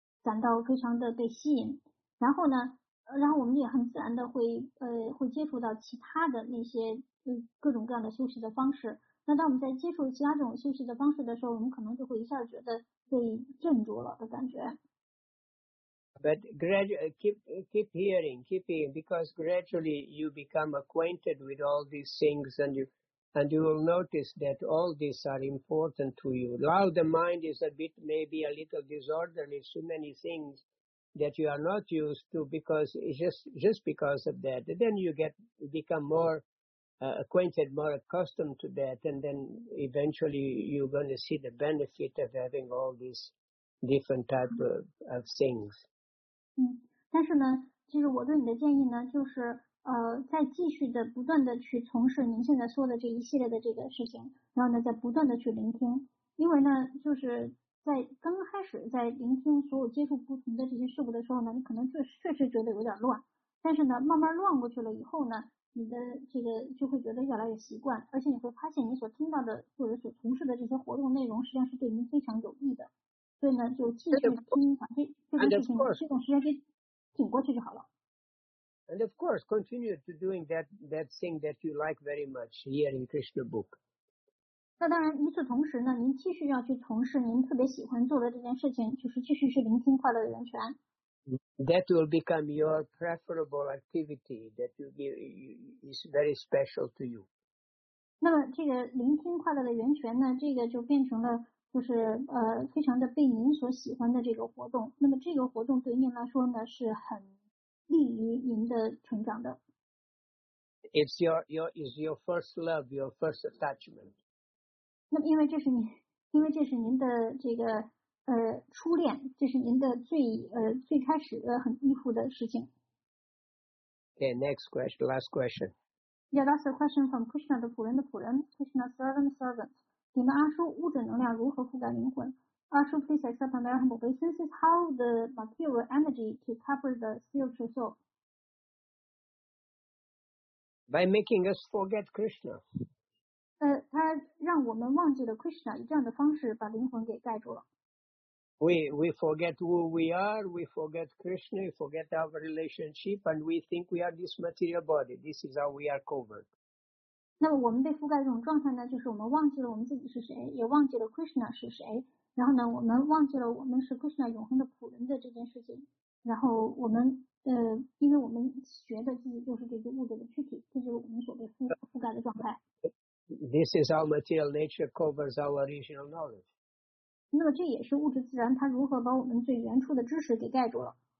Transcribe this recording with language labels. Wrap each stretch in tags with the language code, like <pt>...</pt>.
<zh>感到非常的被吸引，然后呢，然后我们也很自然的会接触到其他的那些各种各样的修习的方式。那当我们在接触其他这种修习的方式的时候，我们可能就会一下觉得被镇住了的感觉。</zh> <en>But gradually keep hearing, because gradually you become acquainted with all these things, and you will notice that all these are important to you. While the mind is a bit, maybe a little disorderly, so many things that you are not used to, because it's just because of that. Then you become more acquainted, more accustomed to that, and then eventually you're going to see the benefit of having all these different type of things.</en> <zh>嗯，但是呢，其实我对你的建议呢，就是再继续的不断的去从事您现在说的这一系列的这个事情，然后呢，再不断的去聆听，因为呢，就是在刚开始在聆听所有接触不同的这些事物的时候呢，你可能确实觉得有点乱，但是呢，慢慢乱过去了以后呢，你的这个就会觉得越来越习惯，而且你会发现你所听到的或者所从事的这些活动内容，实际上是对您非常有益的。所以呢，就继续听，把这种时间给挺过去就好了。</zh> <en>And of course, continue to doing that thing that you like very much, hearing Krishna book.</en> <zh>那当然，与此同时呢，您继续要去从事您特别喜欢做的这件事情，就是继续去聆听快乐的源泉。</zh> <en>That will become your preferable activity that you give is very special to you.</en> <zh>那么这个聆听快乐的源泉呢，这个就变成了。就是非常的被您所喜欢的这个活动，那么这个活动对您来说呢是很利于您的成长的。</zh> <en>It's your first love, your first attachment.</en> <zh>那么因为这是您的这个初恋，这是您的最开始的很依附的事情。</zh> <en>Okay, next question, last question. Yeah, that's a question from Krishna, the</en> <zh>仆人的仆人</zh> <en>，Krishna servant. Ashu, please accept my humble obeisances. How the material energy to cover the spiritual soul? By making us forget Krishna.</en> <zh>他让我们忘记了 Krishna， 以这样的方式把灵魂给盖住了。</zh> <en>We forget who we are, we forget Krishna, we forget our relationship, and we think we are this material body. This is how we are covered.</en> <zh>那么我们被覆盖这种状态呢，就是我们忘记了我们自己是谁，也忘记了 Krishna 是谁，然后呢，我们忘记了我们是 Krishna 永恒的仆人的这件事情，然后我们因为我们学的自己就是这个物质的躯体，这就是我们所被覆盖的状态。</zh> <en>This is how material nature covers our original knowledge.</en> <zh>那么这也是物质自然它如何把我们最原初的知识给盖住了。</zh>